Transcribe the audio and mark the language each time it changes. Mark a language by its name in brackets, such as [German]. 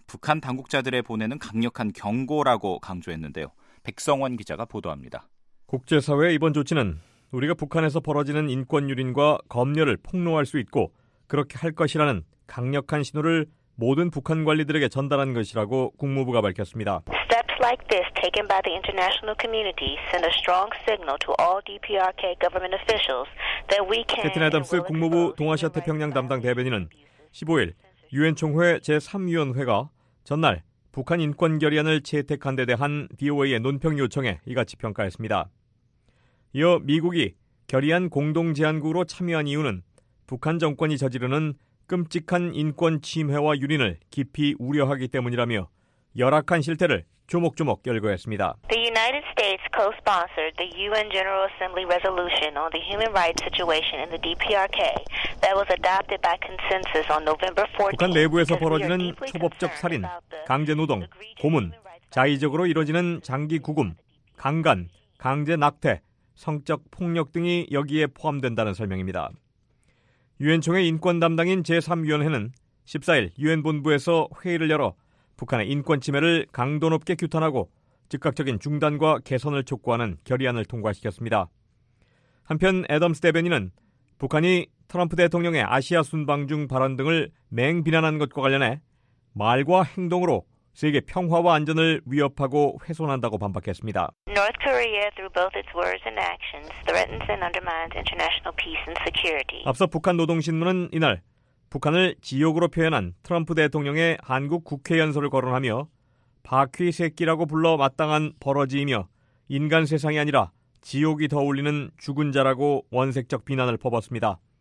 [Korean] 북한 당국자들의 보내는 강력한 경고라고 강조했는데요. 백성원 기자가 보도합니다. 국제사회의 이번 조치는 우리가 북한에서 벌어지는 인권유린과 검열을 폭로할 수 있고 그렇게 할 것이라는 강력한 신호를 모든 북한 관리들에게 전달한 것이라고 국무부가 밝혔습니다. [English] Steps like this taken by the international community send a strong signal to all DPRK government officials that we can. [Korean] 캐튼 애덤스 국무부 동아시아 태평양 담당 대변인은 15일 유엔 총회 제3위원회가 전날 북한 인권 결의안을 채택한 데 대한 DOA의 논평 요청에 이같이 평가했습니다. 이어 미국이 결의안 공동 제안국으로 참여한 이유는 북한 정권이 저지르는 끔찍한 인권 침해와 유린을 깊이 우려하기 때문이라며 열악한 실태를 조목조목 열거했습니다. [English] The United States co-sponsored the UN General Assembly resolution on the human rights situation in the DPRK that was adopted by consensus on November 14th. [Korean] 북한 내부에서 벌어지는 초법적 살인, 강제 노동, 고문, 자의적으로 이루어지는 장기 구금, 강간, 강제 낙태, 성적 폭력 등이 여기에 포함된다는 설명입니다. 유엔 총회 인권 담당인 제3위원회는 14일 유엔 본부에서 회의를 열어 북한의 인권 침해를 강도 높게 규탄하고 즉각적인 중단과 개선을 촉구하는 결의안을 통과시켰습니다. 한편 애덤스 대변인은 북한이 트럼프 대통령의 아시아 순방 중 발언 등을 맹비난한 것과 관련해 말과 행동으로 세계 평화와 안전을 위협하고 훼손한다고 반박했습니다. [English] North Korea, through both its words and actions, threatens and undermines international peace and security. [Korean] 앞서 북한 노동신문은 이날 북한을 지옥으로 표현한 트럼프 대통령의 한국 국회 연설을 거론하며 바퀴 새끼라고 불러 마땅한 버러지이며 인간 세상이 아니라 지옥이 더 어울리는 죽은 자라고 원색적 비난을 퍼붓습니다.